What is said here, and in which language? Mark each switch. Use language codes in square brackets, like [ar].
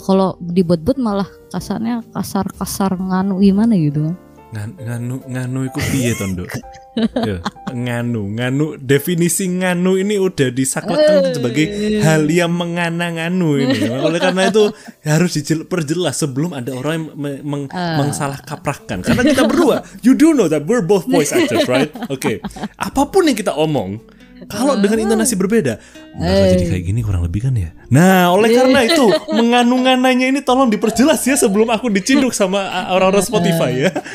[id] Kalau dibuat-buat malah kasarnya kasar-kasar nganu gimana gitu. [jv] Nganu itu piye Tondo? [id] Nganu definisi nganu ini udah disaklekan sebagai hal yang menganganu ini. Oleh karena itu harus diperjelas sebelum ada orang yang mengsalah kaprahkan. Karena kita berdua, [en] you do know that we're both voice actors, right? Okay. [id] Apapun yang kita omong, kalau dengan intonasi berbeda, nggak jadi kayak gini kurang lebih kan ya. Nah, oleh karena itu menganu-ngananya ini tolong diperjelas ya sebelum aku diciduk sama orang-orang Spotify ya.